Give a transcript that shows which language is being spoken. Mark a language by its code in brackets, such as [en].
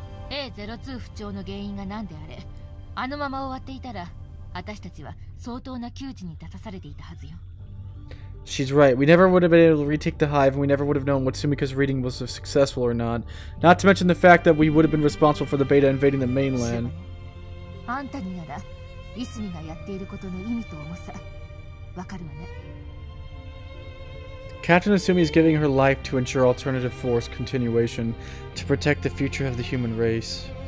[ja] A02 不調の原因が何であれ、あのまま終わっていたら、私たちは相当な窮地に立たされていたはずよ。 [en] She's right. We never would have been able to retake the hive, and we never would have known what Sumika's reading was successful or not. Not to mention the fact that we would have been responsible for the beta invading the mainland. [ja] あんたになら、イスミがやっていることの意味と重さ、わかるわね。 [en] Captain Asumi is giving her life to ensure alternative force continuation to protect the future of the human race.